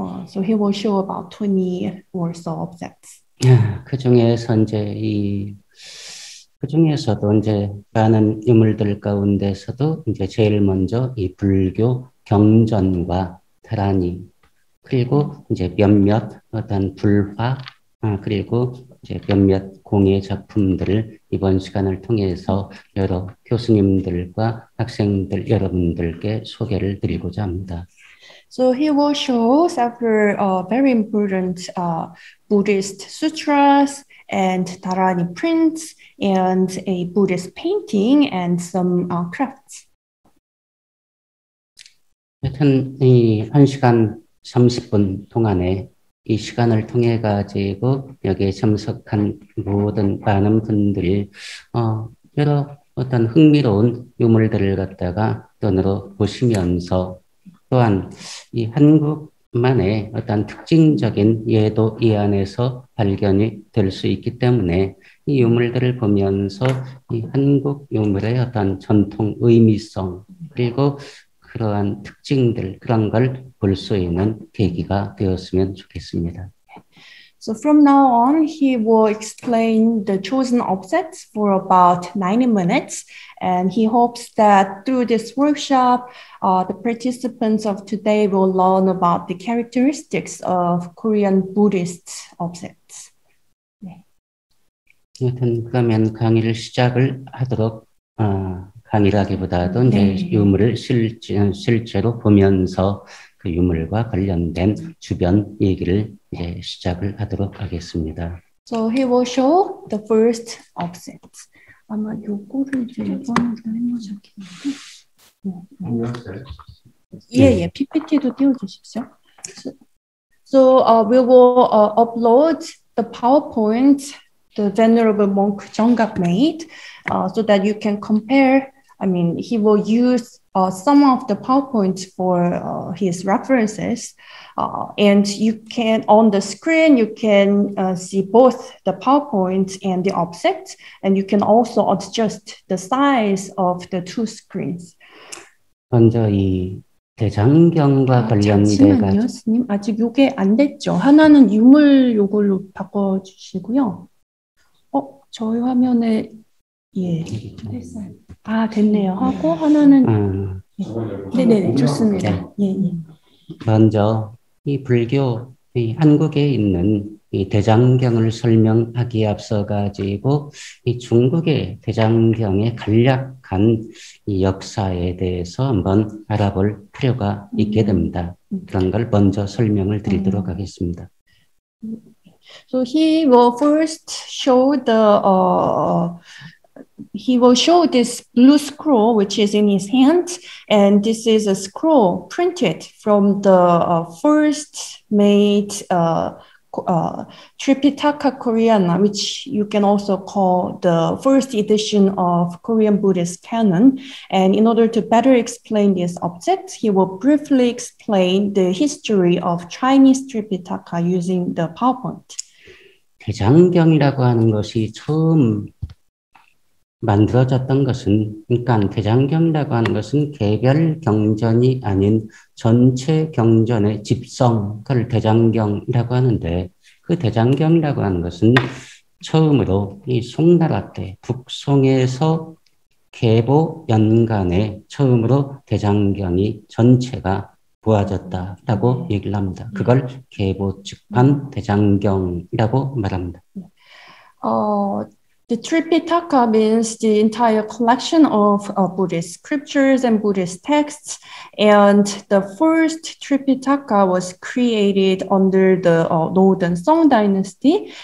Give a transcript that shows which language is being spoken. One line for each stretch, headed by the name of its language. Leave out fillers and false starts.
English: So he will show about 20 or so offsets.
Korean: 그 중에서 이제 이 그 중에서도 이제 많은 유물들 가운데서도 이제 제일 먼저 이 불교 경전과 다라니 그리고 이제 몇몇 어떤 불화 그리고 이제 몇몇 공예 작품들을 이번 시간을 통해서 여러 교수님들과 학생들 여러분들께 소개를 드리고자 합니다.
English: So he will show several very important Buddhist sutras and dhāraṇī prints and a Buddhist painting and some crafts.
Korean: 여튼 이 1시간 30분 동안에 이 시간을 통해 가지고 여기에 참석한 모든 많은 분들이 여러 어떤 흥미로운 유물들을 갖다가 눈으로 보시면서 또한 이 한국만의 어떤 특징적인 예도 이 안에서 발견이 될 수 있기 때문에 이 유물들을 보면서 이 한국 유물의 어떤 전통 의미성 그리고 그러한 특징들 그런 걸 볼 수 있는 계기가 되었으면 좋겠습니다.
English: So from now on, he will explain the chosen objects for about 90 minutes. And he hopes that through this workshop, the participants of today will learn about the characteristics of Korean Buddhist objects.
Korean: 네. 여튼 그러면 강의를 시작을 하도록 강의라기보다도 네. 이제 유물을 실제로 보면서 그 유물과 관련된 주변 얘기를 이제 시작을 하도록 하겠습니다.
English: So he will show the first object.
Korean: 아마 요거를 이제 이번에 해보자. 예, 예. PPT도 띄워주십시오.
English: So we will upload the PowerPoint the Venerable Monk Jeonggak made so that you can compare. I mean, he will use some of the PowerPoints for his references. And you can, on the screen, you can see both the PowerPoint and the object. And you can also adjust the size of the two screens.
Korean: 먼저 이 대장경과 관련돼 가지고. 잠시만요, 스님. 아직 이게 안 됐죠. 하나는 유물 이걸로 바꿔주시고요. 어, 저희 화면에, 예. 아, 됐네요. 하고 하나는 네, 네, 좋습니다. 예, 예. 먼저 이 불교 이 한국에 있는 이 대장경을 설명하기에 앞서 가지고 이 중국의 대장경의 간략한 이 역사에 대해서 한번 알아볼 필요가 있게 됩니다. 그런 걸 먼저 설명을 드리도록 하겠습니다.
English: So he will first show the He will show this blue scroll, which is in his hand, and this is a scroll printed from the first made Tripitaka Koreana, which you can also call the first edition of Korean Buddhist canon. And in order to better explain this object, he will briefly explain the history of Chinese Tripitaka using the PowerPoint.
Korean: 대장경이라고 하는 것이 처음 만들어졌던 것은 그러니까 대장경이라고 하는 것은 개별 경전이 아닌 전체 경전의 집성 그걸 대장경이라고 하는데 그 대장경이라고 하는 것은 처음으로 이 송나라 때 북송에서 계보 연간에 처음으로 대장경이 전체가 보아졌다라고 얘기를 합니다. 그걸 계보 즉판 대장경이라고 말합니다.
English: The Tripitaka means the entire collection of Buddhist scriptures and Buddhist texts. And the first Tripitaka was created under the Northern Song Dynasty.